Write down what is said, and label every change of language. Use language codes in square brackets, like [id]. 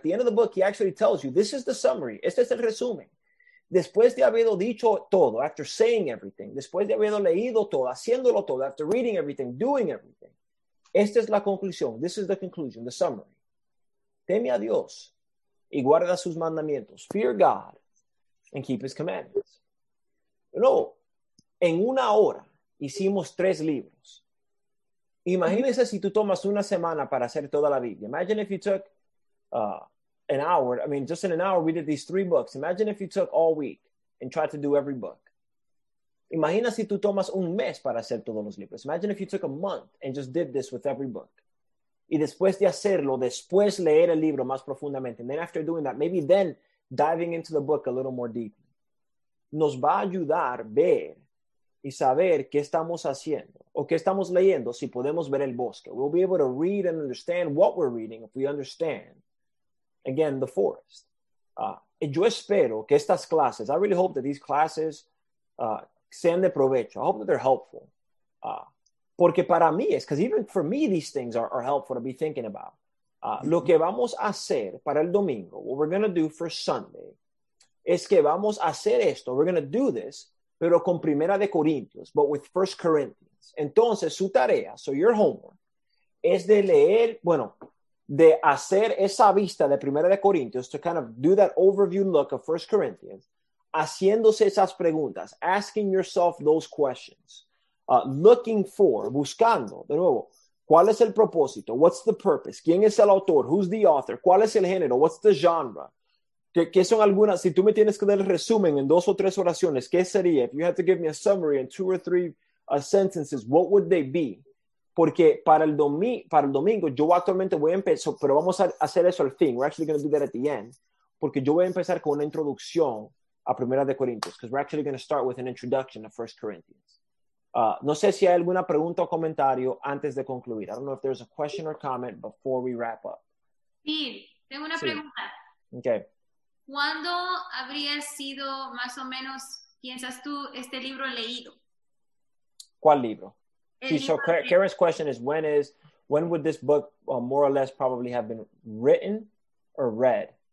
[en] At the end of the book, he actually tells you, this is the summary. [es] Este es el resumen. Después de haberlo dicho todo, [en] after saying everything, [es] después de haberlo leído todo, haciéndolo todo, [en] after reading everything, doing everything, [es] esta es la conclusión. [en] This is the conclusion, the summary. [es] Teme a Dios y guarda sus mandamientos. [en] Fear God and keep his commandments. [es] No, en una hora hicimos tres libros. Imagínese si tú tomas una semana para hacer toda la Biblia. [en] Imagine if you took an hour. I mean, just in an hour, we did these three books. Imagine if you took all week and tried to do every book. [es] Imagina si tú tomas un mes para hacer todos los libros. [en] Imagine if you took a month and just did this with every book. [es] Y después de hacerlo, después leer el libro más profundamente. [en] And then after doing that, maybe then diving into the book a little more deeply. [es] Nos va a ayudar ver y saber qué estamos haciendo o qué estamos leyendo si podemos ver el bosque. [en] We'll be able to read and understand what we're reading if we understand, again, the forest. [es] Yo espero que estas clases, [en] I really hope that these classes [es] sean de provecho. [en] I hope that they're helpful. [es] Porque para mí es, [en] because even for me, these things are helpful to be thinking about. [es] Lo que vamos a hacer para el domingo, [en] what we're going to do for Sunday, [es] es que vamos a hacer esto, [en] we're going to do this, [es] pero con Primera de Corintios, [en] but with First Corinthians. [es] Entonces, su tarea, [en] so your homework, [es] es de leer, bueno, de hacer esa vista de Primera de Corintios, [en] to kind of do that overview look of First Corinthians, [es] haciéndose esas preguntas, [en] asking yourself those questions, looking for, [es] buscando, de nuevo, ¿cuál es el propósito? [en] What's the purpose? [es] ¿Quién es el autor? [en] Who's the author? [es] ¿Cuál es el género? [en] What's the genre? [es] ¿Qué son algunas? Si tú me tienes que dar el resumen en dos o tres oraciones, ¿qué sería? [en] If you had to give me a summary in two or three sentences, what would they be? [es] Porque para el domingo, yo actualmente voy a empezar, pero vamos a hacer eso al fin. [en] We're actually going to do that at the end. [es] Porque yo voy a empezar con una introducción a Primera de Corintios, [en] because we're actually going to start with an introduction of First Corinthians. [es] No sé si hay alguna pregunta o comentario antes de concluir. [en] I don't know if there's a question or comment before we wrap up. [es] Sí, tengo una pregunta. [en] Okay. [es] ¿Cuándo habría sido más o menos, piensas tú, este libro leído? ¿Cuál libro? [en] Karen's question is, when would this book more or less probably have been written or read?